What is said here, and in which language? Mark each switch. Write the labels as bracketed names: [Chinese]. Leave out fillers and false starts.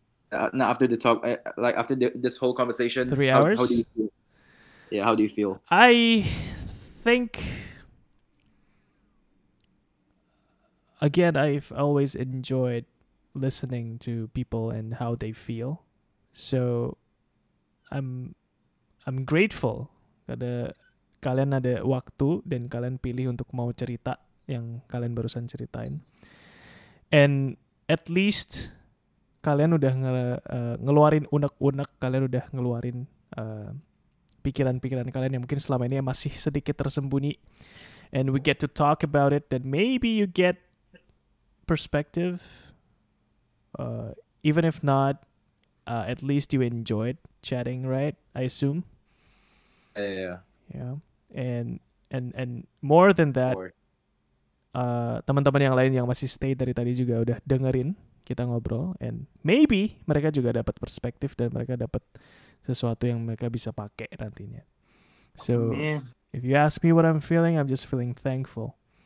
[English] No, after the talk, like after this whole conversation. 3 hours. How do you feel? Yeah. How do you feel? I think. Again, I've always enjoyed listening to people and how they feel. So, I'm grateful [Indonesian] karena kalian ada waktu dan kalian pilih untuk mau cerita yang kalian barusan ceritain. [English] And at least [Indonesian] kalian udah ngeluarin unek-unek, kalian udah ngeluarin pikiran-pikiran kalian yang mungkin selama ini masih sedikit tersembunyi. [English] And we get to talk about it, then maybe you get perspective, even if not, at least you enjoyed chatting, right? I assume. Yeah. And more than that, [Indonesian] teman-teman yang lain yang masih stay dari tadi juga udah dengerin kita ngobrol, and maybe mereka juga dapat perspektif dan mereka dapat sesuatu yang mereka bisa pakai nantinya. [English] So if you ask me what I'm feeling, I'm just feeling thankful.